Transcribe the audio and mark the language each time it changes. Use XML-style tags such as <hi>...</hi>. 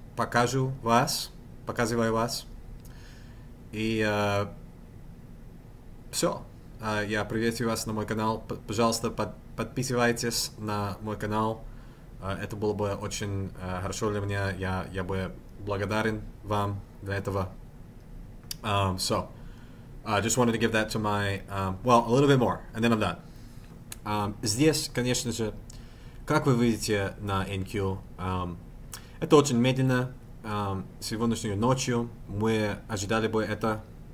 <ru>Покажу вас, показываю вас. И все. Я приветствую вас на мой канал. Пожалуйста, подписывайтесь на мой канал. Это было бы очень хорошо для меня. Я бы благодарен вам для этого.</ru> <en>So, I just wanted to give that to my... well, a little bit more, and then I'm done.</en> <ru>Здесь, конечно же, как вы видите на NQ, это очень медленно. Сегодняшнюю ночью мы ожидали бы это.</ru>